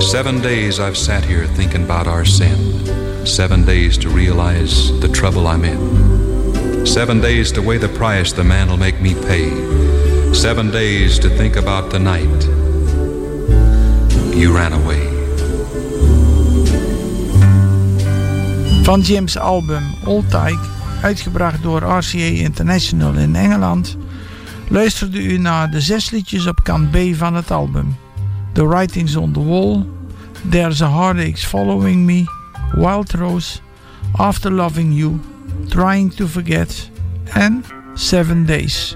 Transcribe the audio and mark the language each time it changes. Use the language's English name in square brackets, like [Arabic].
[English] 7 days I've sat here thinking about our sin. 7 days to realize the trouble I'm in. 7 days to weigh the price the man'll make me pay. 7 days to think about the night you ran away. [Dutch] Van Jim's album Old Tyke, uitgebracht door RCA International in Engeland, luisterde u naar de 6 liedjes op kant B van het album. The Writing's on the Wall, There's a Heartache Following Me, Wild Rose, After Loving You, Trying to Forget en 7 Days.